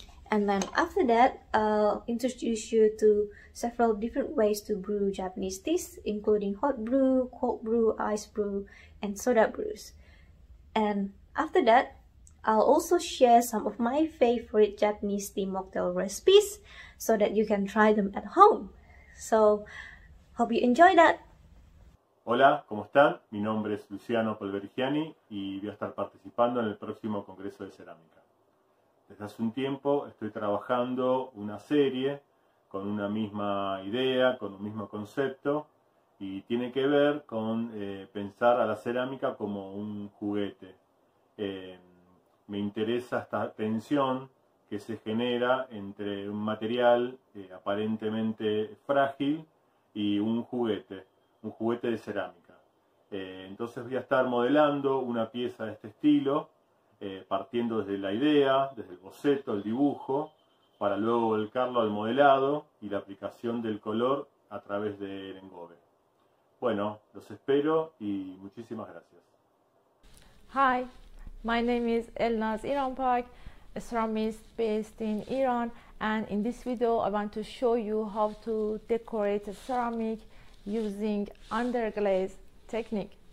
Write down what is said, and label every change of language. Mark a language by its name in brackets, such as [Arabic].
[English] And then after that, I'll introduce you to several different ways to brew Japanese teas, including hot brew, cold brew, ice brew, and soda brews. And after that, I'll also share some of my favorite Japanese tea mocktail recipes so that you can try them at home. So, hope you enjoy that! [Spanish] Hola, ¿cómo están? Mi nombre es Luciano Polverigiani y voy a estar participando en el próximo Congreso de Cerámica. Desde hace un tiempo estoy trabajando una serie con una misma idea, con un mismo concepto, y tiene que ver con pensar a la cerámica como un juguete. Me interesa esta tensión que se genera entre un material aparentemente frágil y un juguete de cerámica. Entonces voy a estar modelando una pieza de este estilo, partiendo desde la idea, desde el boceto, el dibujo, para luego volcarlo al modelado y la aplicación del color a través del engobe. Bueno, los espero y muchísimas gracias. [English] Hi, my name is Elnaz Iranpak, a ceramist based in Iran, and in this video I want to show you how to decorate a ceramic using underglaze technique.